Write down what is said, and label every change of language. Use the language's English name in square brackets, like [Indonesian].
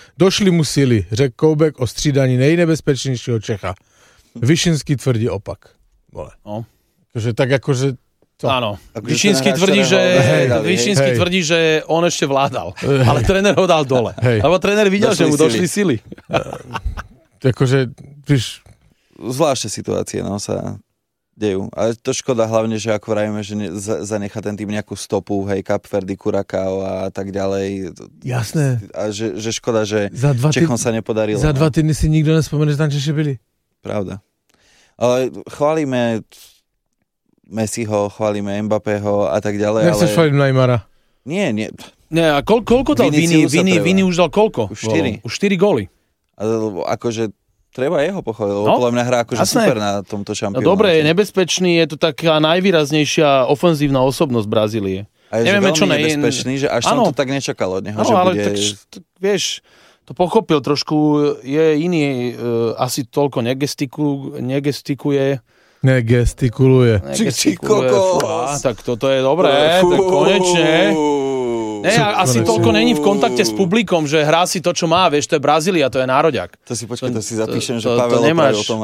[Czech] Došli mu síly, řekl Koubek o střídání nejnebezpečnějšího Čecha. Vyšinský tvrdí opak. Vole. No. Takže tak jakože... Ano, Vyšinský tvrdí, tvrdí, že on ještě vládal, ale trenér ho dal dole. Hej. Lebo trenér viděl, že mu došli síly. Jakože, víš... [Slovak] Zvláštne situácie, no, sa dejú. Ale to škoda hlavne, že ako vrajme, že zanechá ten tým nejakú stopu, hej, Kapverdy, Kurakao a tak ďalej. Jasné. A že škoda, že Čechom sa nepodarilo. Za dva týdny si nikto nespomenul, že tam Češi byli. Pravda. Ale chválime Messiho, chválime Mbappého a tak ďalej. Nechceš chváliť Neymara? Nie, nie. Nie, a koľko dal Viny? Viny už dal koľko? Už 4. Už 4 góly. Akože... Treba jeho pochváliť, lebo podľa mňa hrá akože super na tomto šampionáte. Dobre, je nebezpečný, je to taká najvýraznejšia ofenzívna osobnosť Brazílie. A je neviem, čo nebezpečný, že až som to tak nečakal od neho, že bude... Vieš, to pochopil trošku, je iný, asi toľko negestikuje. Negestikuluje. Čikoko. Tak toto je dobré, tak konečne. Ne, asi toľko není v kontakte s publikom, že hrá si to, čo má, vieš, to je Brazília, to je nároďak. To si počkaj, to si zapíšem, že Pavel opraví o tom.